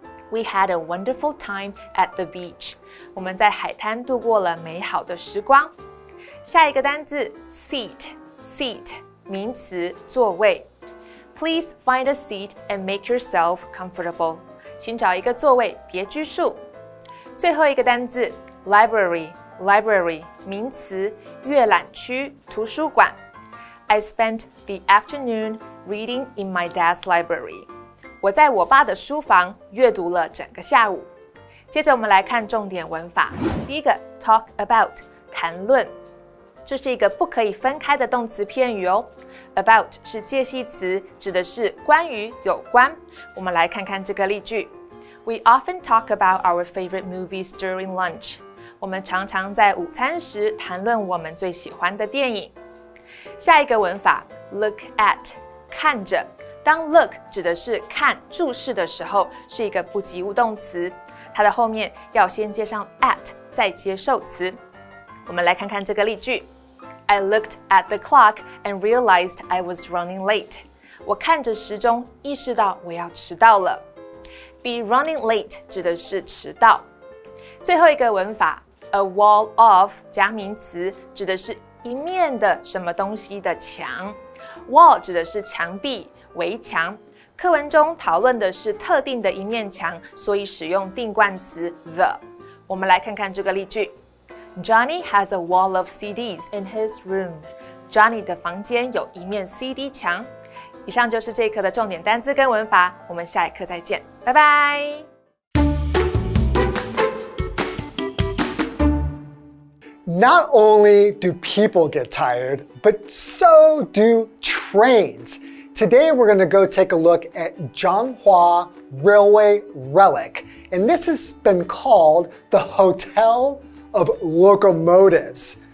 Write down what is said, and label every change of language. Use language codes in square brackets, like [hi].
[en] We had a wonderful time at the beach. [zh] 我们在海滩度过了美好的时光。下一个单字 seat, 名词，座位。 [en] Please find a seat and make yourself comfortable. [zh] 请找一个座位，别拘束。最后一个单字 library, 名词，阅览区，图书馆。 [en] I spent the afternoon reading in my dad's library. [zh] 我在我爸的书房阅读了整个下午。接着我们来看重点文法。第一个 talk about, 谈论。这是一个不可以分开的动词片语哦。 About 是介系词，指的是关于、有关。我们来看看这个例句。 [en] We often talk about our favorite movies during lunch. [zh] 我们常常在午餐时谈论我们最喜欢的电影。下一个文法 ,look at, 看着。当 look 指的是看、注视的时候，是一个不及物动词。它的后面要先接上 at, 再接受词。我们来看看这个例句。 [en] I looked at the clock and realized I was running late. [zh] 我看着时钟意识到我要迟到了。 Be running late 指的是迟到。最后一个文法 ,a wall of 加名词指的是一面的什么东西的墙。 Wall 指的是墙壁、围墙。课文中讨论的是特定的一面墙，所以使用定冠词 the。 [en] 我们来看看这个例句。 Johnny has a wall of CDs in his room. [zh] Johnny 的房间有一面 CD 墙。以上就是这一课的重点单字跟文法，我们下一课再见，拜拜。 [en] Not only do people get tired, but so do trains. Today we're going to go take a look at Changhua Railway Relic. And this has been called the Hotel of locomotives.